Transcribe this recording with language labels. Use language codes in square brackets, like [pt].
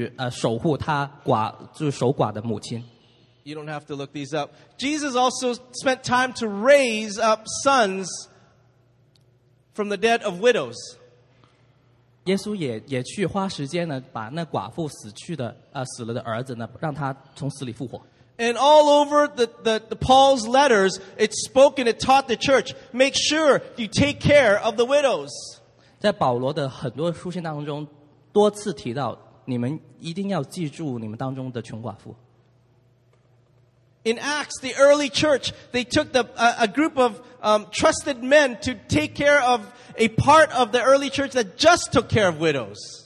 [en] John 19:25. You don't have to look these up. Jesus also spent time to raise up sons from the dead of widows. [zh] 耶稣也去花时间呢,把那寡妇死了的儿子呢,让他从死里复活。 [en] And all over the Paul's letters, it's spoken, it taught the church, make sure you take care of the widows. [zh] 在保罗的很多书信当中,多次提到,你们一定要记住你们当中的穷寡妇。 [en] In Acts, the early church, they took a group of trusted men to take care of a part of the early church that just took care of widows.